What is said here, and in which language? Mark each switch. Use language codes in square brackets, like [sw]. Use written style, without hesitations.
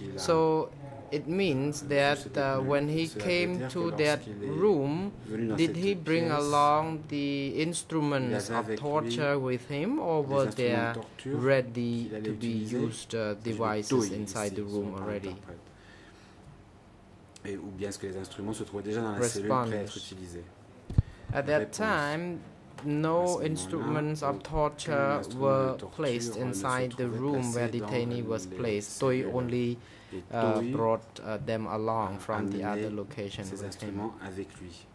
[en] So it means that when he came to that room, did he bring along the instruments of torture with him, or were there ready to be used devices inside the room already? [fr] Et, ou bien est-ce que les instruments se trouvaient déjà dans la cellule prêts à être utilisés? [en] At that time, no instruments of torture were placed inside the room where the detainee was placed. Toi only brought them along from the other location. [fr] Ces instruments avec lui.